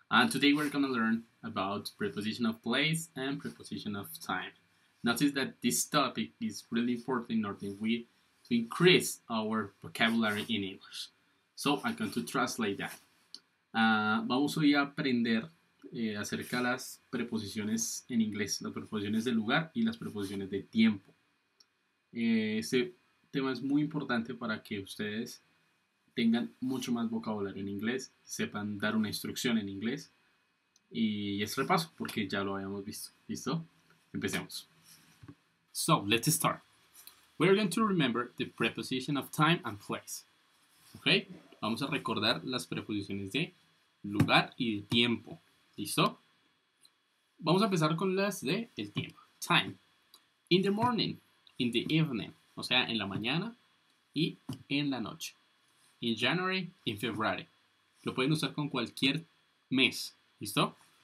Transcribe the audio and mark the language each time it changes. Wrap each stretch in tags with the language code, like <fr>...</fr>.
<en>Today we're going to learn about preposition of place and preposition of time. Notice that this topic is really important in order to increase our vocabulary in English. So I'm going to translate that.</en> <es>Vamos hoy a aprender acerca de las preposiciones en inglés, las preposiciones de lugar y las preposiciones de tiempo. Este tema es muy importante para que ustedes tengan mucho más vocabulario en inglés, sepan dar una instrucción en inglés y es repaso porque ya lo habíamos visto. ¿Listo? Empecemos.</es> <en>So, let's start. We're going to remember the preposition of time and place. Okay?</en> <es>Vamos a recordar las preposiciones de lugar y de tiempo. ¿Listo? Vamos a empezar con las de el tiempo.</es> <en>Time. In the morning, in the evening,</en> <es>o sea, en la mañana y en la noche.</es> <en>In January, in February.</en> <es>Lo pueden usar con cualquier mes. ¿Listo?</es>